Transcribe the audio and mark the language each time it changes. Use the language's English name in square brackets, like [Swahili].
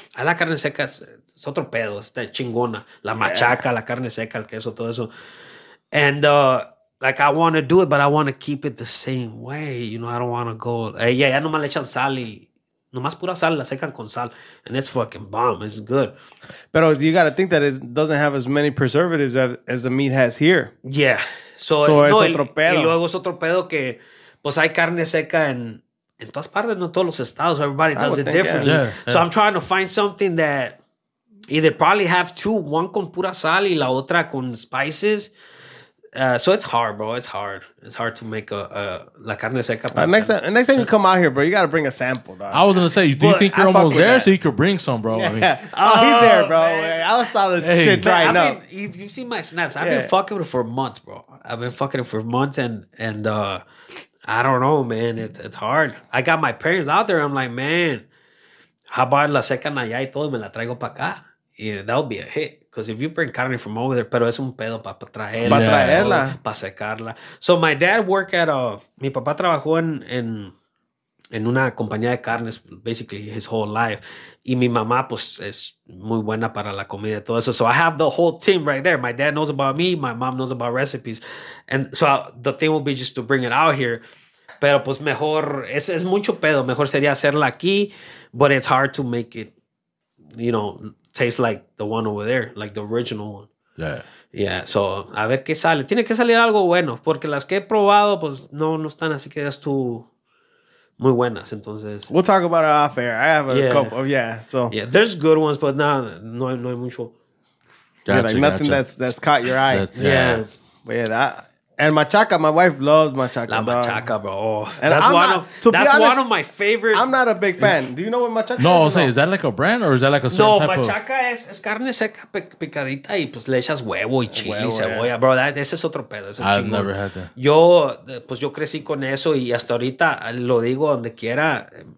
[Spanish] A la carne seca es otro pedo, está chingona. La machaca, la carne seca, el queso, todo eso. [English] And, like, I want to do it, but I want to keep it the same way. You know, I don't want to go. [Spanish] Yeah, no más le echan sal y no más pura sal, la secan con sal. [English] And it's fucking bomb. It's good. But you got to think that it doesn't have as many preservatives as the meat has here. Yeah. [Spanish] So es otro pedo. Y luego es otro pedo que, pues, hay carne seca en todas partes, no todos los estados. [English] So everybody does it differently. Yeah. So I'm trying to find something that either probably have two, one con pura sal y la otra con spices. So it's hard, bro. It's hard. It's hard to make la carne seca. Next time you come out here, bro, you got to bring a sample, dog. I was going to say, do you think you're almost there so you could bring some, bro? Yeah. I mean, he's there, bro. Man. I was solid shit drying up. You've seen my snaps. I've been fucking with it for months, bro. I've been fucking it for months, and I don't know, man. It's hard. I got my parents out there. I'm like, man, how about la seca allá y todo? Me la traigo para acá. Yeah, that would be a hit. Because if you bring carne from over there, pero es un pedo para traerla. [Spanish] Para traerla. [English] Para secarla. So my dad worked at a... [Spanish] Mi papá trabajó en una compañía de carnes basically his whole life. Y mi mamá, pues, es muy buena para la comida y todo eso. [English] So I have the whole team right there. My dad knows about me. My mom knows about recipes. And so the thing will be just to bring it out here. Pero pues mejor... [Spanish] Es mucho pedo. Mejor sería hacerla aquí. But it's hard to make it, you know... [English] Tastes like the one over there, like the original one. Yeah. [Spanish] Yeah. So, a ver qué sale. Tiene que salir algo bueno, porque las que he probado, pues no están así que es tú muy buenas. Entonces. [English] We'll talk about it off air. I have a couple of, so. Yeah, there's good ones, but no hay mucho. Gotcha, yeah, like nothing that's caught your eye. Yeah. But yeah, that. And machaca, my wife loves machaca. La machaca, bro. That's one of my favorite. I'm not a big fan. Do you know what machaca is? No, I'll say, is that like a brand or is that like a certain type of... [Spanish] No, machaca es carne seca picadita y pues le echas huevo y chile y cebolla. Yeah. Bro, ese es otro pedo. [English] I've never had that. [Spanish] Yo, pues yo crecí con eso y hasta ahorita lo digo donde quiera.